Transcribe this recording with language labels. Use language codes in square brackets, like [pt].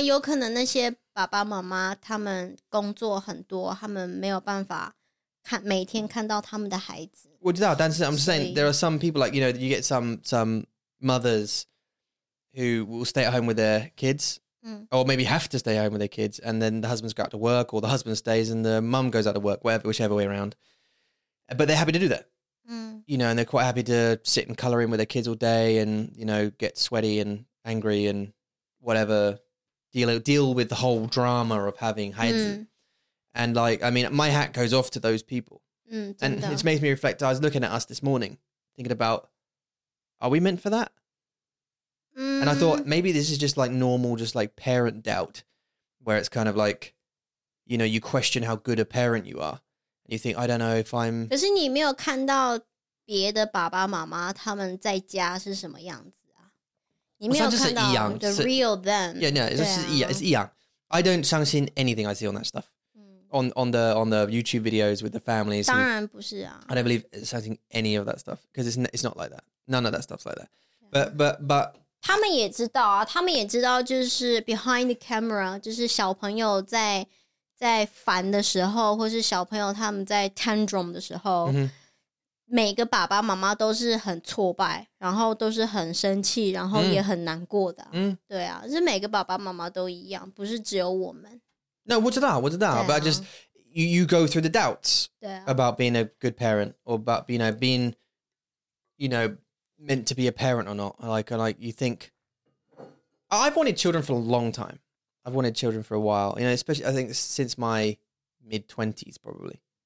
[zh] 有可能那些爸爸妈妈他们工作很多，他们没有办法看每天看到他们的孩子。我知道，但是 [en] I'm saying there are some people like, you know, you get some mothers who will stay at home with their kids. Or maybe have to stay home with their kids and then the husband's got to work or the husband stays and the mum goes out to work, whatever, whichever way around. But they're happy to do that. You know, and they're quite happy to sit and colour in with their kids all day and, you know, get sweaty and angry and whatever, deal with the whole drama of having Heidi. And like, I mean, my hat goes off to those people. And it makes me reflect, I was looking at us this morning, thinking about, are we meant for that? And I thought maybe this is just like normal, just like parent doubt where it's kind of like, you know, you question how good a parent you are. And you think, I don't know if I'm... [zh] 可是你没有看到别的爸爸妈妈他们在家是什么样子啊。你没有看到 [en] the real them. Yeah, no, it's [zh] 一样。 [en] I don't [zh] 相信 [en] anything I see on that stuff. On the YouTube videos with the families. [zh] 当然不是啊。 [en] I don't believe something any of that stuff because it's not like that. None of that stuff's like that. But... [zh] 他们也知道啊，他们也知道，就是 [en] behind the camera， [zh] 就是小朋友在烦的时候，或是小朋友他们在 tantrum 的时候，每个爸爸妈妈都是很挫败，然后都是很生气，然后也很难过的。对啊，是每个爸爸妈妈都一样，不是只有我们。 [en] No， [zh] 我知道，我知道，啊、 [en] but I just you go through the doubts about being a good parent or about you know being you know. Meant to be a parent or not. Like you think, I've wanted children for a long time. I've wanted children for a while. You know, especially, I think since my mid-20s, probably.